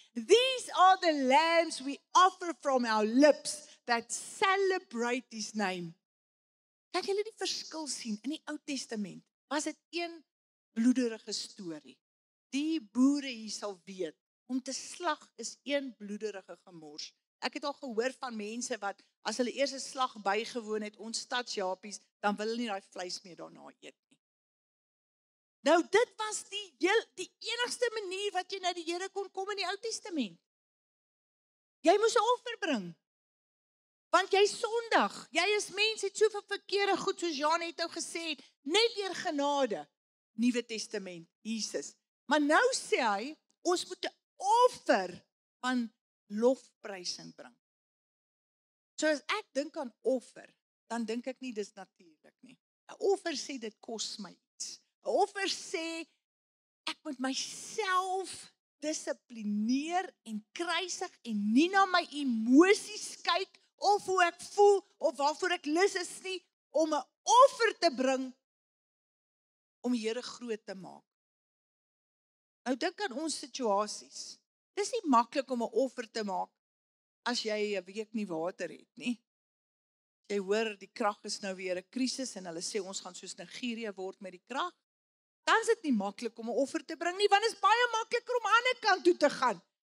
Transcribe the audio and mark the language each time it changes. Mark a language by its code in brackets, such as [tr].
[en] These are the lambs we offer from our lips that celebrate his name. [af] Kan julle die verskil sien? In die Ou Testament was dit een bloederige story. Die boere hier sal weet, om te slag is een bloederige gemors. Ek het al gehoor van mense wat, as hulle eers 'n slag bygewoon het, ons stadsjapies, dan wil hulle nie die vleis meer daarna eet nie. Nou, dit was die enigste manier wat jy na die Here kon kom in die Ou Testament. Jy moes 'n offer bring. Want jy is sondig. Jy is mens, het soveel verkeerde goed, soos Jan het nou gesê, net deur genade, Nuwe Testament, Jesus. Maar nou sê hy, ons moet 'n offer van lofprysing bring. So as ek dink aan offer, dan dink ek nie, dis natuurlik nie. 'N offer sê, dit kos my iets. 'N offer sê, ek moet myself disiplineer en kruisig en nie na my emosies kyk, of hoe ek voel, of waarvoor ek lus is nie, om 'n offer te bring, om die Here groot te maak. Nou dink aan ons situasies. Dis nie maklik om 'n offer te maak, as jy 'n week nie water het nie. Jy hoor, die krag is nou weer 'n krisis, en hulle sê, ons gaan soos Nigeria word met die krag. Dan is dit nie maklik om 'n offer te bring nie, want is baie makliker om aan die kant toe te gaan.